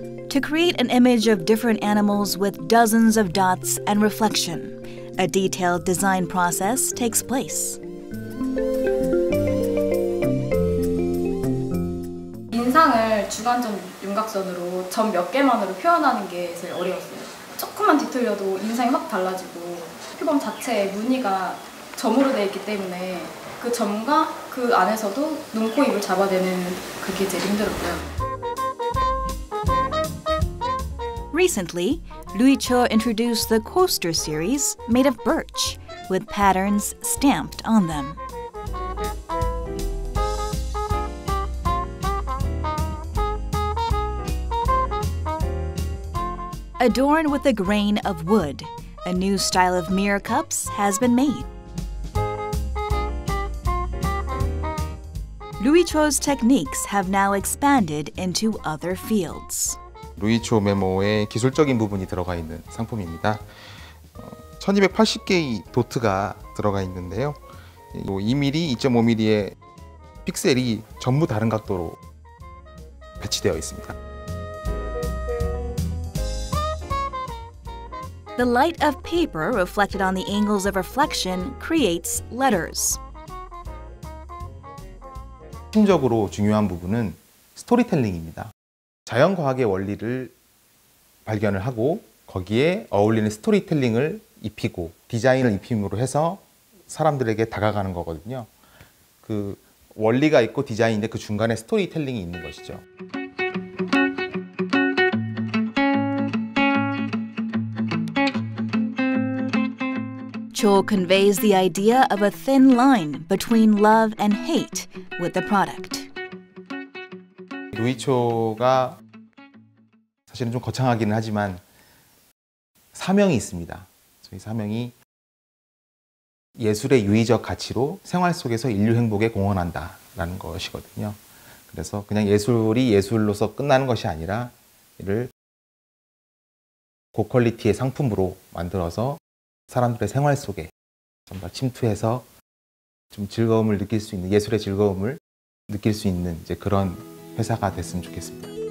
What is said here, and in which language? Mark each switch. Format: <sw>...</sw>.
<en>To create an image of different animals with dozens of dots and reflection, a detailed design process takes place. The</en> <ko>인상을 주관적 윤곽선으로 점 몇 개만으로 표현하는 게 제일 어려웠어요. 조금만 뒤틀려도 인상이 확 달라지고 표범 자체의 무늬가 점으로 되어 있기 때문에 그 점과 그 안에서도 눈, 코, 입을 잡아내는 그게 제일 힘들었고요.</ko> <en>Recently, Lui Cho introduced the coaster series made of birch with patterns stamped on them. Adorned with a grain of wood, a new style of mirror cups has been made. Lui Cho's techniques have now expanded into other fields.</en> <ko>루이 초 메모의 기술적인 부분이 들어가 있는 상품입니다. 1280개의 도트가 들어가 있는데요. 2mm, 2.5mm의 픽셀이 전부 다른 각도로 배치되어 있습니다.</ko> <en>The light of paper reflected on the angles of reflection creates letters.</en> <ko>핵심적으로 중요한 부분은 스토리텔링입니다. 자연과학의 원리를 발견을 하고 거기에 어울리는 스토리텔링을 입히고 디자인을 입힘으로 해서 사람들에게 다가가는 거거든요. 그 원리가 있고 디자인인데 그 중간에 스토리텔링이 있는 것이죠.</ko> <en>Cho conveys the idea of a thin line between love and hate with the product.</en> <ko>루이 초가 사실은 좀 거창하기는 하지만 사명이 있습니다. 저희 사명이 예술의 유의적 가치로 생활 속에서 인류 행복에 공헌한다라는 것이거든요. 그래서 그냥 예술이 예술로서 끝나는 것이 아니라 이를 고퀄리티의 상품으로 만들어서 사람들의 생활 속에 좀 더 침투해서 좀 즐거움을 느낄 수 있는 예술의 즐거움을 느낄 수 있는 이제 그런 회사가 됐으면 좋겠습니다.</ko>